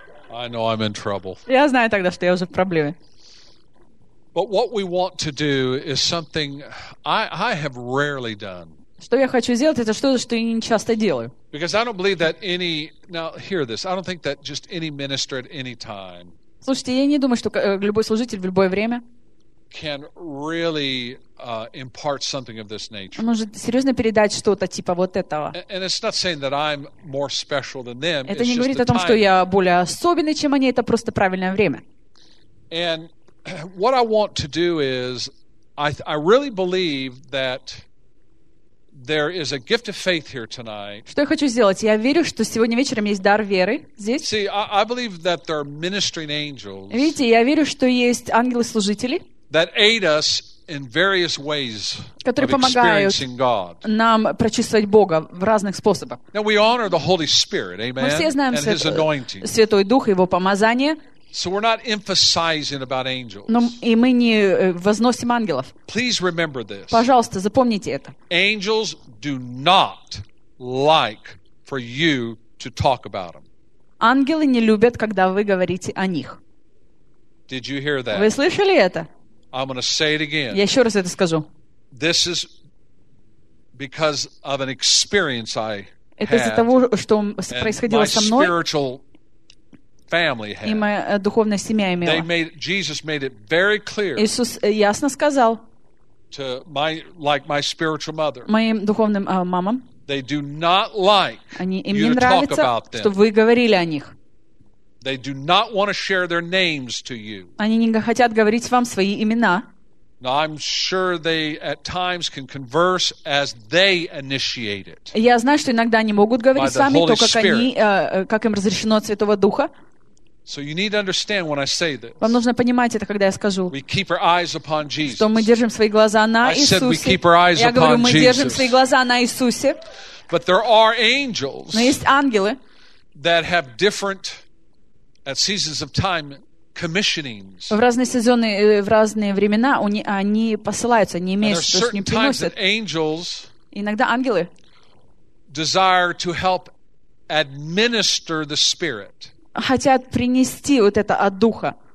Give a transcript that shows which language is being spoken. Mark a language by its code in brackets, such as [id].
[en] I know I'm in trouble. [ru] Я знаю тогда, что я уже в проблеме. [en] But what we want to do is something I have rarely done. [ru] Что я хочу сделать, это что-то, что я не часто делаю. [en] Because I don't believe that any. Now hear this. I don't think that just any minister at any time. [ru] Слушайте, я не думаю, что любой служитель в любое время. [en] Can really impart something of this nature. [ru] Может серьезно передать что-то типа вот этого. [en] And it's not saying that I'm more special than them. [ru] Это не говорит о том, что я более особенный, чем они. Это просто правильное время. [en] And what I want to do is, I really believe that there is a gift of faith here tonight. [ru] Что я хочу сделать? Я верю, что сегодня вечером есть дар веры здесь. [en] See, I believe that there are ministering angels. [ru] Видите, я верю, что есть ангелы-служители. [en] That aid us in various ways of experiencing God. [ru] Нам прочувствовать Бога в разных способах. [en] Now we honor the Holy Spirit, amen. [ru] Мы все знаем [en] and His anointing. [ru] Святой Дух и Его помазание. [en] So we're not emphasizing about angels. [ru] Но и мы не возносим ангелов. [en] Please remember this. [ru] Пожалуйста, запомните это. [en] Angels do not like for you to talk about them. [ru] Ангелы не любят, когда вы говорите о них. [en] Did you hear that? [ru] Вы слышали это? [en] I'm going to say it again. [ru] Я еще раз это скажу. [en] This is because of an experience I had. [ru] Это из-за того, что происходило со мной. [en] My spiritual family had. [ru] И моя духовная семья имела. [en] They made Jesus made it very clear. [ru] Иисус ясно сказал. [en] To my like my spiritual mother. [ru] Моим духовным мамам. [en] They do not like. [ru] Они им не нравится, что вы говорили о них. [en] They do not want to share their names to you. [ru] Они не хотят говорить вам свои имена. [en] Now I'm sure they at times can converse as they initiate it. [ru] Я знаю, что иногда они могут говорить с вами, то как они, как им разрешено от Святого Духа. [en] So you need to understand when I say this. [ru] Вам нужно понимать это, когда я скажу. [en] We keep our eyes upon Jesus. [ru] Что мы держим свои глаза на Иисусе. [en] I said we keep our eyes upon Jesus. [ru] Я говорю, мы держим свои глаза на Иисусе. [en] But there are angels. [ru] Но есть ангелы. [en] That have different at seasons of time commissionings. [ru] В разные сезоны, в разные времена они посылаются, они имеют, то есть они приносят. Иногда ангелы [en] desire to help administer the spirit. [ru] Хотят принести вот это от духа.